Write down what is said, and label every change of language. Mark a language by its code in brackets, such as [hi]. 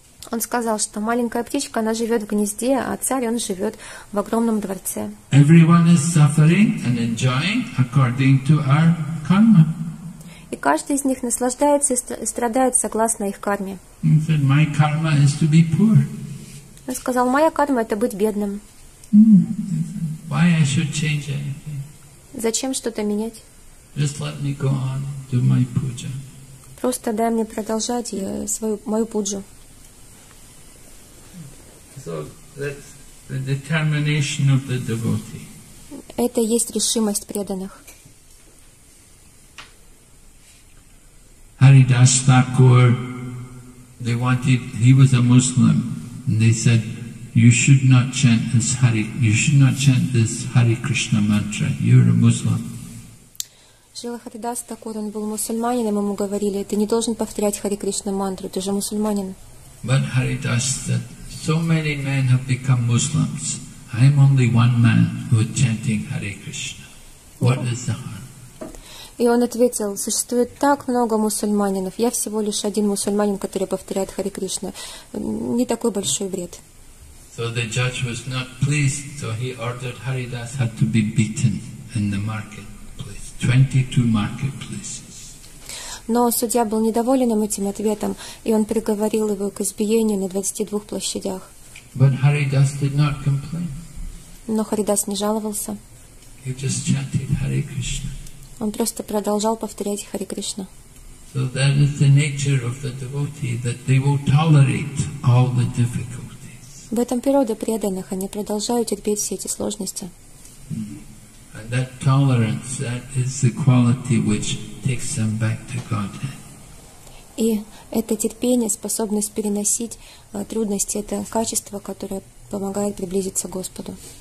[ru] Он сказал, что маленькая птичка, она живёт в гнезде, а царь, он живёт в огромном дворце. [en] Everyone is suffering and enjoying according to our karma. [ru] И каждый из них наслаждается и страдает согласно их карме. [en] He said, my karma is to be poor. [ru] Он сказал, моя карма — это быть бедным. [en] Why I should change anything? [ru] Зачем что-то менять? [en] Just let me go on, do my puja. [ru] Просто дай мне продолжать свою, мою пуджу. [en] So that's the determination of the devotee. [ru] Это есть решимость преданных. [en] Haridas Thakur, they wanted, he was a Muslim, and they said, you should not chant this Hari, you should not chant this Hare Krishna mantra. You're a Muslim. [ru] Шрила Харидас Такур, он был мусульманином, ему говорили, ты не должен повторять Хари Кришна мантру, ты же мусульманин. [en] But Haridas said, so many men have become Muslims. I am only one man who is chanting Hare Krishna. What is the harm? [ru] И он ответил, существует так много мусульманинов, я всего лишь один мусульманин, который повторяет Хари Кришна. Не такой большой вред. [en] So the judge was not pleased, so he ordered Haridas had to be beaten in the marketplace, 22 marketplaces. [ru] Но судья был недоволен этим ответом, и он приговорил его к избиению на 22 площадях. [en] But Haridas did not complain. [ru] Но Харидас не жаловался. [en] He just chanted Hare Krishna. [ru] Он просто продолжал повторять Хари Кришна. [en] So that is the nature of the devotee, that they will tolerate all the difficulties. [ru] В этом природа преданных, они продолжают терпеть все эти сложности. [en] And that tolerance, that is the quality which takes them back to Godhead. [ru] И это терпение, способность переносить трудности, это качество, которое помогает приблизиться к Господу.